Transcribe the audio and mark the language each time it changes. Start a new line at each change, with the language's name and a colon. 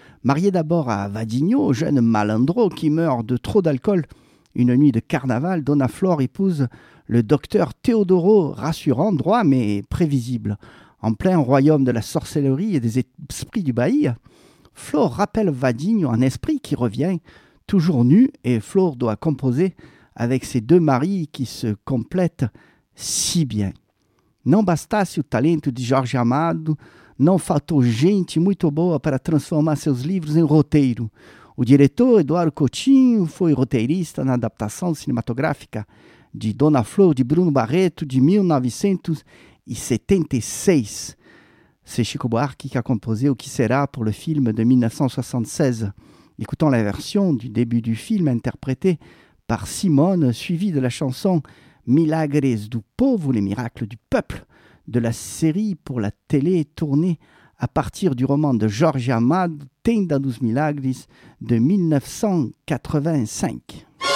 French: Mariée d'abord à Vadinho, jeune malandro qui meurt de trop d'alcool, une nuit de carnaval, Dona Flor épouse le docteur Teodoro, rassurant, droit mais prévisible. En plein royaume de la sorcellerie et des esprits du Bahia, Flor rappelle Vadinho, un esprit qui revient, toujours nu, et Flor doit composer avec ses deux maris qui se complètent si bien.
Portuguese: Non bastasse o talento de Jorge Amado, non faltou gente muito boa para transformar seus livros em roteiro. O diretor Eduardo Coutinho foi roteirista na adaptação cinematográfica de Dona Flor de Bruno Barreto de 1976.
French: C'est Chico Buarque qui a composé O Que Será pour le film de 1976. Écoutons la version du début du film interprétée par Simone, suivie de la chanson Milagres do Povo, les miracles du peuple, de la série pour la télé tournée à partir du roman de Jorge Amado, Tenda dos Milagres, de 1985.